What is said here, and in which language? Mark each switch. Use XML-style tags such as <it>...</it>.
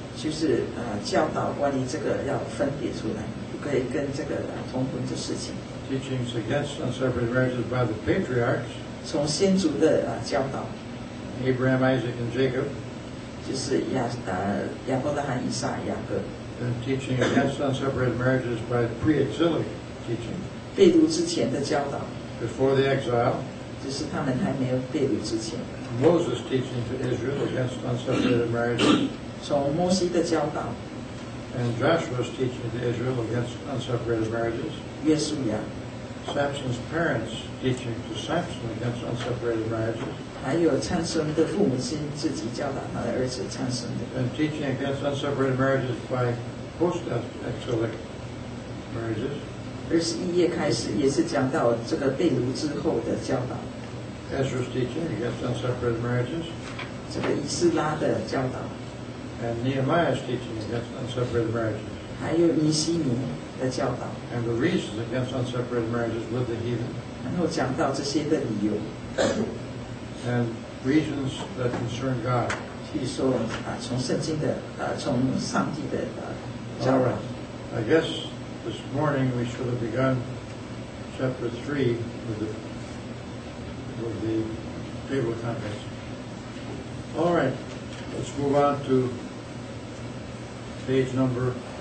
<zh>就是教导关于这个要分别出来，不可以跟这个同婚的事情。</zh> <en>Teaching against unseparated marriages by the patriarchs.</en> <zh>从先祖的教导。</zh> <en>Abraham, Isaac, and Jacob.</en> <zh>就是亚伯拉罕、以撒、雅各。</zh> <en>And teaching against unseparated marriages by pre-exilic teaching.</en> <zh>被掳之前的教导。</zh> <en>Before the exile,</en> <zh>就是他们还没有被掳之前。</zh> <en>Moses teaching to Israel against unseparated marriage.</en> <zh>从摩西的教导。</zh> <en>And Joshua's teaching to Israel against unseparated marriages.</en> <zh>约书亚。</zh> <en>Samson's parents teaching to Samson against unseparated marriages.</en> <zh>还有参孙的父母亲自己教导他的儿子参孙的。</zh> <en>And teaching against unseparated marriages by post-exilic marriages.</en> <zh>二十一页开始也是讲到这个被掳之后的教导。</zh> <en>Ezra's teaching against unseparated marriages.</en> <zh>这个以斯拉的教导。</zh> <en>And Nehemiah's teaching against unseparated marriages.</en> <zh>还有尼希米的教导。</zh> <en>And the reasons against unseparated marriages with the heathen.</en> <zh>然后讲到这些的理由。</zh> <en>And reasons that concern God.</en> <zh>去比如说从圣经的从上帝的教导。</zh> <en>I guess this morning we should have begun chapter 3 with the table of contents. All right, let's move on to page number.</en>